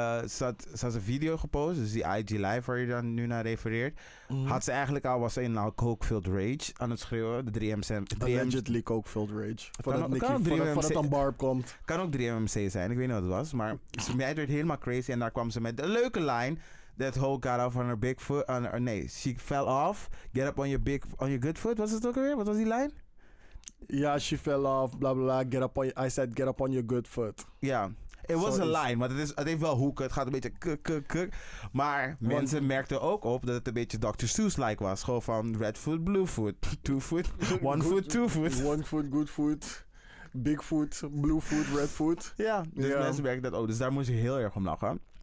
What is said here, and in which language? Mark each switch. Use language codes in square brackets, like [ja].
[nl] Ze had een video gepost, dus die IG Live waar je dan nu naar refereert. Had ze eigenlijk al, was ze in al [en] coke-filled rage [nl] aan het schreeuwen, de 3MC... [en] Allegedly coke-filled rage, [nl] voordat het aan Barb komt. Kan ook 3MC zijn, ik weet niet wat het was, maar ze meid werd helemaal crazy en daar kwam ze met een leuke line... [en] That hoe got off on her big foot. She fell off. Get up on your good foot. [nl] Was het ook alweer? Wat was die lijn? [en] Ja, she fell off. Blah, blah, blah. I said get up on your good foot. Ja. Yeah. It was a line. [nl] Maar het heeft wel hoeken. Het gaat een beetje kuk. Maar mensen merkten ook op dat het een beetje Dr. [en] Seuss-like was. [nl] Gewoon van [en] red foot, blue foot. Two foot. One good, foot, two foot. One foot, good foot. Big foot, blue foot, red foot. Ja. Yeah, dus yeah. [nl] Mensen merkten dat ook. Dus daar moest je heel erg om lachen.